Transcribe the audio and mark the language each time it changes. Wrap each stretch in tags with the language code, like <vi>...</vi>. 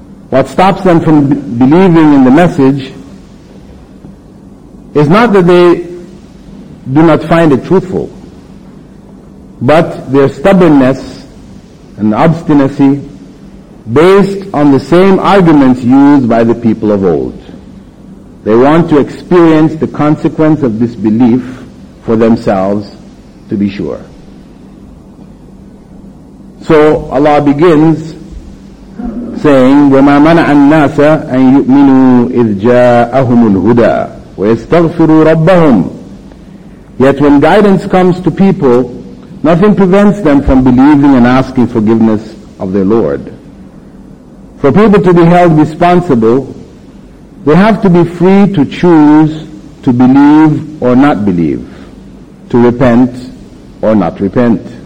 <en>What stops them from believing in the message is not that they do not find it truthful, but their stubbornness and obstinacy based on the same arguments used by the people of old. They want to experience the consequence of this belief for themselves to be sure. So Allah begins saying,</en> <ar>وَمَا مَنَعَ النَّاسَ أَن يُؤْمِنُوا إِذْ جَاءَهُمُ الْهُدَىٰ وَيَسْتَغْفِرُوا رَبَّهُمْ.</ar> <en>Yet when guidance comes to people, nothing prevents them from believing and asking forgiveness of their Lord. For people to be held responsible, they have to be free to choose to believe or not believe, to repent or not repent.</en>